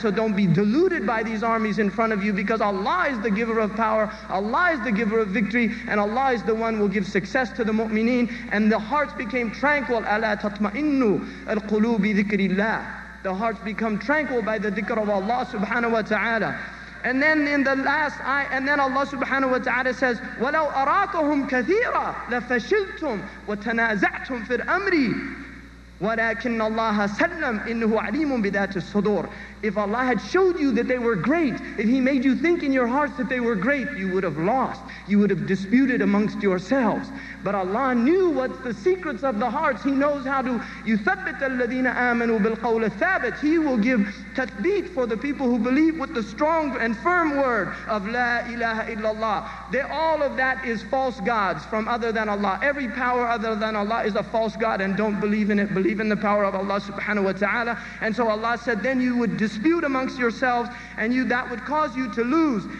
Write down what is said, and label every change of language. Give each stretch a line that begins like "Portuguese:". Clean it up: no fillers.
English: So don't be deluded by these armies in front of you, because Allah is the giver of power, Allah is the giver of victory, and Allah is the one who will give success to the mu'mineen. And the hearts became tranquil.
Arabic: Ala tatma'innu al-qulub bi dhikrillah.
English: The hearts become tranquil by the dhikr of Allah subhanahu wa ta'ala. And then in the last ayah, and then Allah subhanahu wa ta'ala says,
Arabic: وَلَوْ أَرَاكَهُمْ كَثِيرًا لَفَشِلْتُمْ وَتَنَازَعْتُمْ فِي الْأَمْرِ ولكن الله سلم إنه عليم بذات الصدور.
English: If Allah had showed you that they were great, if He made you think in your hearts that they were great, you would have lost. You would have disputed amongst yourselves. But Allah knew what's the secrets of the hearts. He knows how to
Arabic: يثبت الذين آمنوا بالقول الثابت.
English: He will give tathbeet for the people who believe with the strong and firm word of
Arabic: La ilaha illallah.
English: They, all of that is false gods from other than Allah. Every power other than Allah is a false god, and don't believe in it. Believe in the power of Allah subhanahu wa ta'ala. And so Allah said, then you would dispute amongst yourselves, and you, that would cause you to lose.